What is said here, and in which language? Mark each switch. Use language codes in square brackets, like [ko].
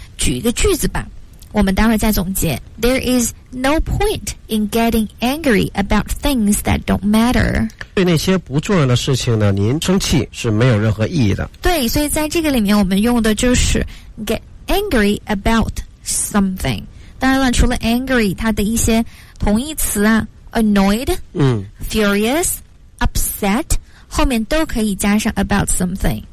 [zh] 举一个句子吧，我们待会儿再总结。 [en] There is no point in getting angry about things that don't matter. [zh] 对那些不重要的事情呢，您生气是没有任何意义的。对，所以在这个里面我们用的就是 get angry about something。当然了，除了 angry 它的一些同义词啊， annoyed、嗯、 furious， upset， 后面都可以加上 about something，